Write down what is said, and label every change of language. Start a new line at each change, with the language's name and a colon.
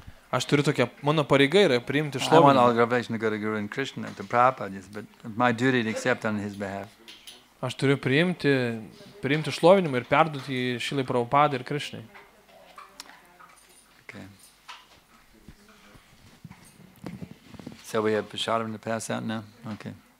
Lithuanian: Aš turiu tokią, mano pareiga yra priimti šlovę.
English: I want all glorification to go to Guru and Krishna, to Prabhupada, but my duty to accept on his behalf.
Lithuanian: Aš turiu priimti šlovinimą ir perduoti jį Šilai Prabhupadai ir Krishnai.
English: Okay. So we have Prasadam to pass out now? Okay.